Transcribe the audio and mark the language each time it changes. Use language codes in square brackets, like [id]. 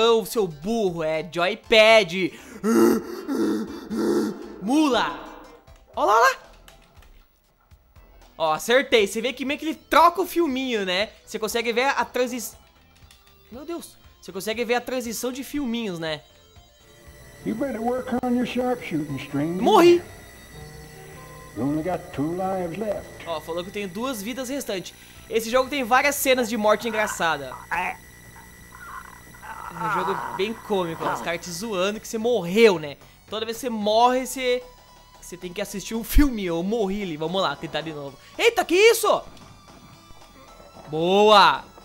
[pt] Ô, seu burro, é joypad. Mula. Ó lá, ó lá. Ó, acertei. Você vê que meio que ele troca o filminho, né? Você consegue ver a transição... meu Deus. Você consegue ver a transição de filminhos, né? [en] You better work on your sharpshooting, stranger. [pt] Morri. [en] You only got two lives left. [pt] Ó, falou que eu tenho duas vidas restantes. Esse jogo tem várias cenas de morte engraçada. É um jogo bem cômico, os caras te zoando que você morreu, né? Toda vez que você morre, você tem que assistir um filme. Eu morri ali, vamos lá, tentar de novo. Eita, que isso? Boa!